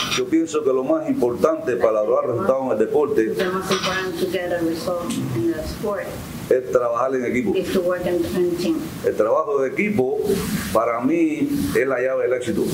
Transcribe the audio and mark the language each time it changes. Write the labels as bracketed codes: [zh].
[es] Yo pienso que lo más importante para lograr resultados en el deporte, [en] the most important to get a result in the sport, [es] es trabajar en equipo. [en] Is to work in team. [es] El trabajo de equipo para mí es la llave del éxito.